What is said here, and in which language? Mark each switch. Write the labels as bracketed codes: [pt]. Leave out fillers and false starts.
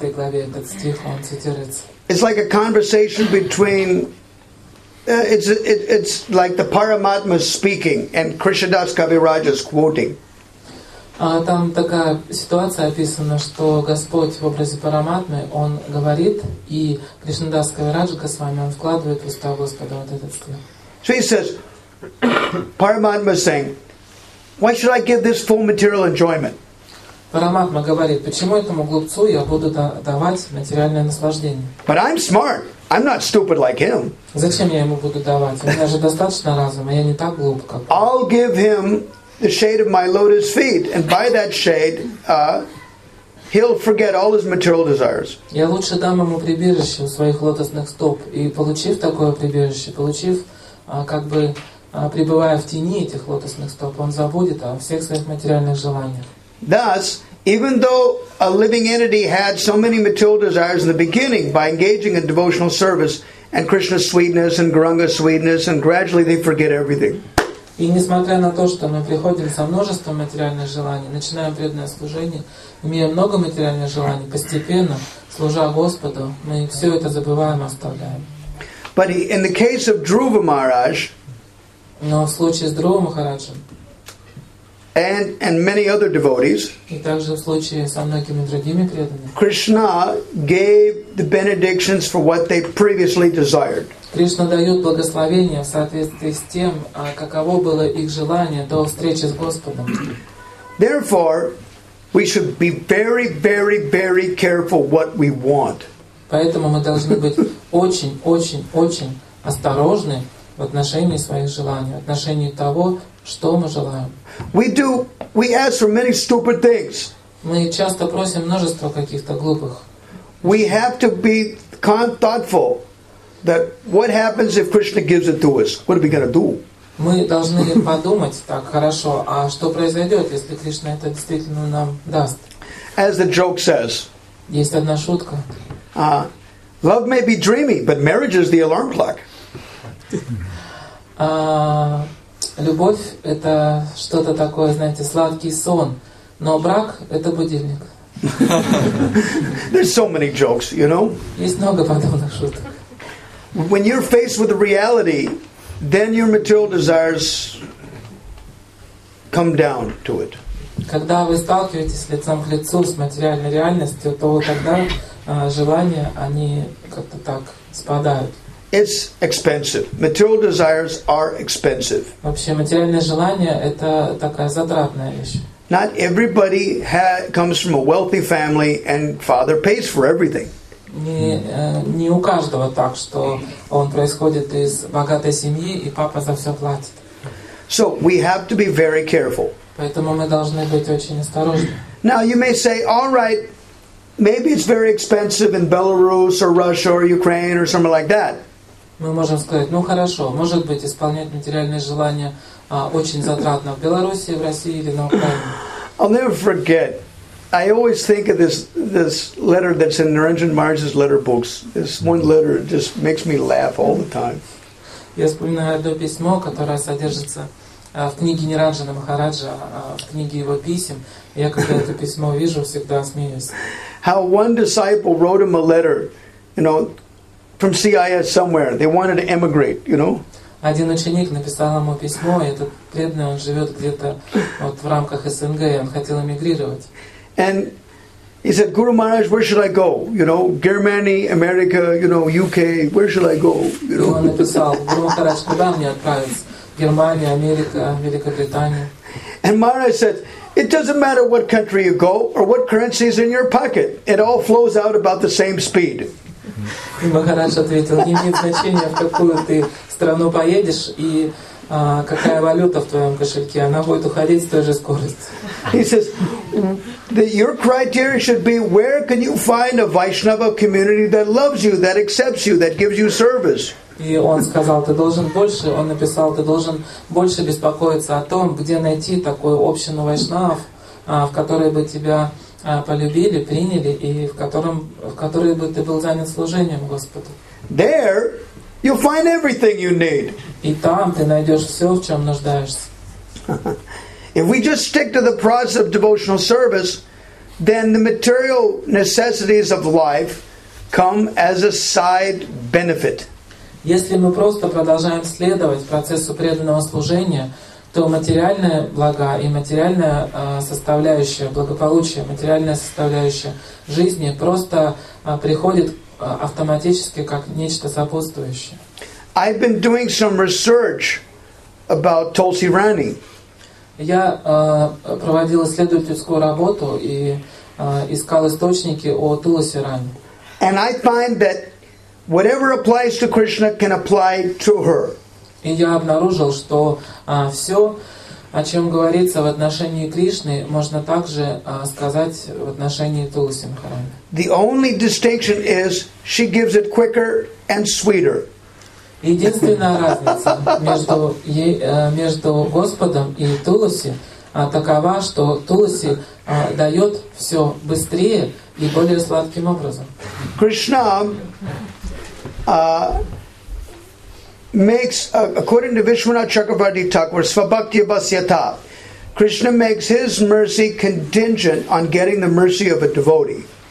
[en] It's like a conversation between it's like the Paramatma speaking and Krishnadas Kaviraja is quoting. [ru] Там такая ситуация описана, что Господь в образе Параматмы, Он говорит, и Кришнадас Кавираджа Госвами, Он вкладывает в уста Господа вот этот стих. [en] So he says, Paramatma is saying, why should I give this full material enjoyment? [ru] Параматма говорит, почему этому глупцу я буду давать материальное наслаждение? [en] But I'm smart. I'm not stupid like him. [ru] Зачем я ему буду давать? У меня же достаточно разума, я не так глуп, как он. [en] I'll give him the shade of my lotus feet, and by that shade, he'll forget all his material desires. [ru] Я лучше дам ему прибежище у своих лотосных стоп, и получив такое прибежище, получив пребывая в тени этих лотосных стоп, он забудет о всех своих материальных желаниях. [en] Thus, even though a living entity had so many material desires in the beginning, by engaging in devotional service and Krishna's sweetness and Gauranga's sweetness, and gradually they forget everything. [ru] И несмотря на то, что мы приходим со множеством материальных желаний, начинаем преданное служение, имея много материальных желаний, постепенно, служа Господу, мы все это забываем, оставляем. [en] But in the case of Dhruva Maharaj, [ru] но в случае с Друвой Махараджем, [en] And many other devotees. [ru] И также в случае со многими другими преданными. [en] Krishna gave the benedictions for what they previously desired. [ru] Кришна дает благословение в соответствии с тем, каково было их желание до встречи с Господом. [en] Therefore, we should be very, very, very careful what we want. [ru] Поэтому мы должны быть очень, очень, очень осторожны в отношении своих желаний, в отношении того, что мы желаем. [en] We ask for many stupid things. [ru] Мы часто просим множество каких-то глупых. [en] We have to be thoughtful. that what happens if Krishna gives it to us? What are we going to do? [ru] Мы должны подумать, так хорошо, а что произойдет, если Кришна это действительно нам даст? [en] As the joke says. [ru] Есть одна шутка. [en] Love may be dreamy, but marriage is the alarm clock. [ru] Любовь это что-то такое, знаете, сладкий сон, но брак это будильник. [en] There's so many jokes, you know. [ru] Есть много подобных шуток. [en] When you're faced with the reality, then your material desires come down to it. [ru] Когда вы сталкиваетесь лицом к лицу с материальной реальностью, то тогда желания они как-то так спадают. [en] It's expensive. Material desires are expensive. [ru] Вообще материальные желания это такая затратная вещь. [en] Not everybody comes from a wealthy family and father pays for everything. [ru] Не у каждого так, что он происходит из богатой семьи и папа за все платит. [en] So we have to be very careful. [ru] Поэтому мы должны быть очень осторожны. [en] Now you may say, all right, maybe it's very expensive in Belarus or Russia or Ukraine or somewhere like that. [ru] Мы можем сказать, ну хорошо, может быть исполнять материальные желания очень затратно в Беларуси, в России или на Украине. [en] I'll never forget. I always think of this letter that's in Niranjan Maharaj's letter books. This one letter just makes me laugh all the time. [ru] Я вспоминаю одно письмо, которое содержится в книге Ниранджана Махараджа, в книге его писем. Я когда это письмо вижу, всегда смеюсь. [en] How one disciple wrote him a letter, you know, from CIS somewhere. They wanted to emigrate, you know. [ru] Один ученик написал ему письмо, и этот преданный, он живет где-то вот в рамках СНГ, и он хотел эмигрировать. [en] And he said, Guru Maharaj, where should I go? You know, Germany, America, you know, UK, where should I go? You know? [ru] Он написал, Guru Maharaj, куда мне отправиться? Германия, Америка, Великобритания. [en] And Maharaj said, it doesn't matter what country you go or what currency is in your pocket. It all flows out about the same speed. [ru] И Махарадж ответил, не имеет значения, в какую ты страну поедешь и какая валюта в твоем кошельке, она будет уходить с той же скоростью. [en] He says, that your criteria should be where can you find a Vaishnava community that loves you, that accepts you, that gives you service. [ru] И он сказал, ты должен больше, он написал, ты должен больше беспокоиться о том, где найти такую общину вайшнав, в которой бы тебя полюбили, приняли, и в которой бы ты был занят служением Господу. [en] There you find everything you need. [ru] И там ты найдешь все, в чем нуждаешься. [en] If we just stick to the process of devotional service, then the material necessities of life come as a side benefit. [ru] Если мы просто продолжаем следовать процессу преданного служения, то материальные блага и материальная составляющая благополучия, материальная составляющая жизни просто приходит автоматически как нечто сопутствующее. [en] I've been doing some research about Tulsi Rani. [ru] Я проводил исследовательскую работу и искал источники о Туласи Рани. [en] And I find that whatever applies to Krishna can apply to her. [ru] И я обнаружил, что все, о чем говорится в отношении Кришны, можно также сказать в отношении Туласи Махарани. [en] The only distinction is she gives it quicker and sweeter. [ru] Единственная разница между Господом и Туласи такова, что Туласи дает все быстрее и более сладким образом. [en] Кришна makes, according to Vishwanath Chakravarti Thakur, Svabhakti Vasyata, Krishna makes his mercy contingent on getting the mercy of a devotee.